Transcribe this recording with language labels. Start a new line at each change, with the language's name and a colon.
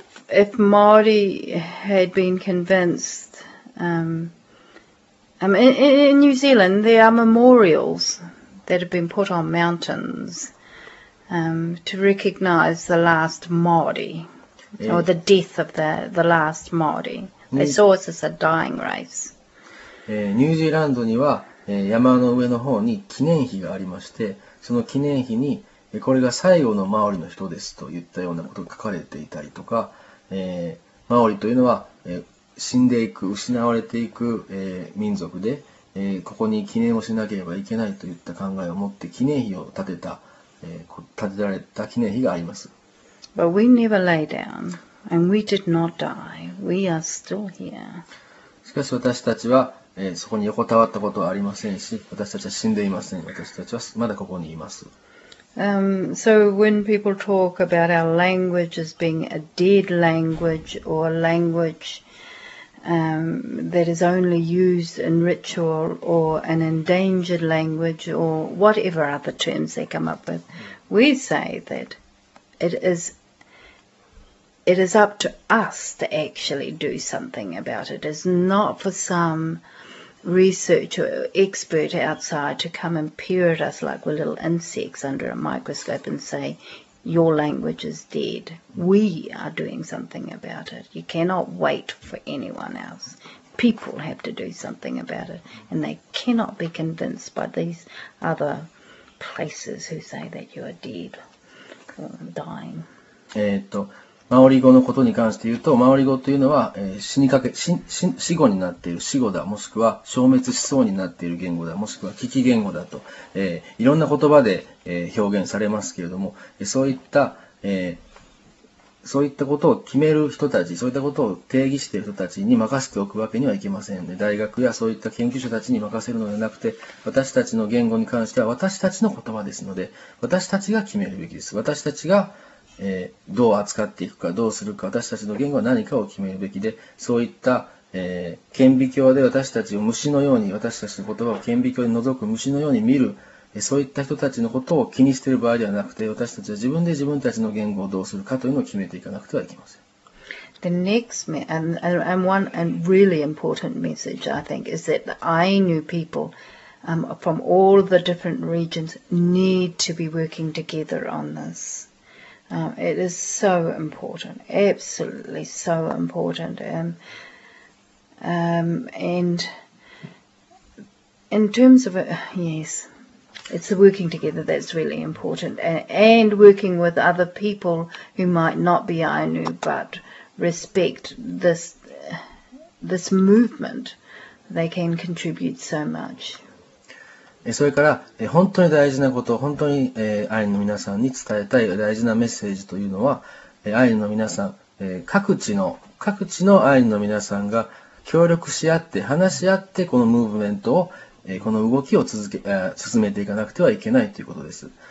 English: If Māori had been convinced, in New Zealand there are memorials that have been put on mountains to recognise the last Māori or the death of the last Māori. They saw us as a dying race.
Japanese: ニュージーランドには山の上の方に記念碑がありまして、その記念碑にこれが最後のマオリの人ですといったようなことが書かれていたりとか、マオリというのは、死んでいく、失われていく、民族で、ここに記念をしなければいけないといった考えを持って記念碑を建てた、建てられた記念碑があります。
English: But we never lay down and we did not die. We are still here.
Japanese: しかし私たちは、そこに横たわったことはありませんし、私たちは死んでいません。私たちはまだここにいます。
English: So when people talk about our language as being a dead language or a language that is only used in ritual or an endangered language or whatever other terms they come up with, we say that it is up to us to actually do something about it. It's not for some researcher or expert outside to come and peer at us like we're little insects under a microscope and say, your language is dead. We are doing something about it. You cannot wait for anyone else. People have to do something about it. And they cannot be convinced by these other places who say that you are dead or dying.
Japanese: マオリ語のことに関して言うと、マオリ語というのは、死にかけ、死語になっている死語だ、もしくは消滅しそうになっている言語だ、もしくは危機言語だと、いろんな言葉で、表現されますけれども、そういった、そういったことを決める人たち、そういったことを定義している人たちに任せておくわけにはいけませんね。大学やそういった研究者たちに任せるのではなくて、私たちの言語に関しては私たちの言葉ですので、私たちが決めるべきです。私たちがどう扱っていくか、どうするか、私たちの言語は何かを決めるべきで、そういった、顕微鏡で私たちを虫のように、私たちの言葉を顕微鏡に覗く虫のように見る、そういった人たちのことを気にしている場合ではなくて、私たちは自分で自分たちの言語をどうするかというのを決めていかなくてはいけません。
English: The next and one and really important message I think is that the Ainu people from all the different regions need to be working together on this. It is so important, absolutely so important. And in terms of yes, it's the working together that's really important, and working with other people who might not be Ainu but respect this movement, they can contribute so much.
Japanese: それから本当に大事なこと、本当にアイヌの皆さんに伝えたい大事なメッセージというのは、アイヌの皆さん、各地のアイヌの皆さんが協力し合って話し合って、このムーブメントを、この動きを進めていかなくてはいけないということです。